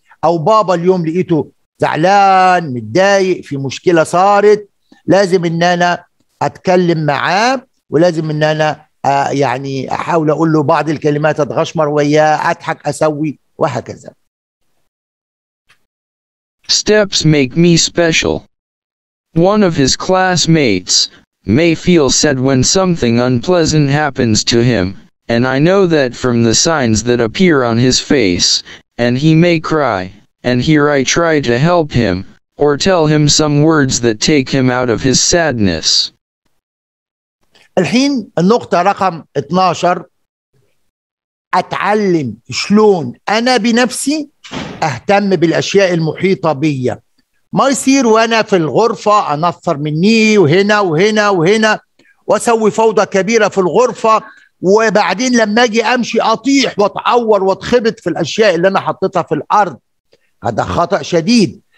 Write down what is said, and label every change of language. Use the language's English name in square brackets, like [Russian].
[Arabic] أو بابا اليوم لقيته زعلان متضايق في مشكلة صارت، لازم إن أنا أتكلم معاه ولازم إن أنا يعني أحاول أقول له بعض الكلمات أتغشمر وياه أضحك أسوي وهكذا. [English] Steps make me special. One of his classmates, Mayfield, said when something unpleasant happens to him, and I know that from the signs that appear on his face, and he may cry, and here I try to help him, or tell him some words that take him out of his sadness. [Arabic] الحين النقطة رقم 12، أتعلم شلون أنا بنفسي أهتم بالأشياء المحيطة بي، ما يصير وأنا في الغرفة أنثر مني وهنا وهنا وهنا وأسوي فوضى كبيرة في الغرفة، وبعدين لما أجي أمشي أطيح وأتعور وأتخبط في الأشياء اللي أنا حطيتها في الأرض، هذا خطأ شديد.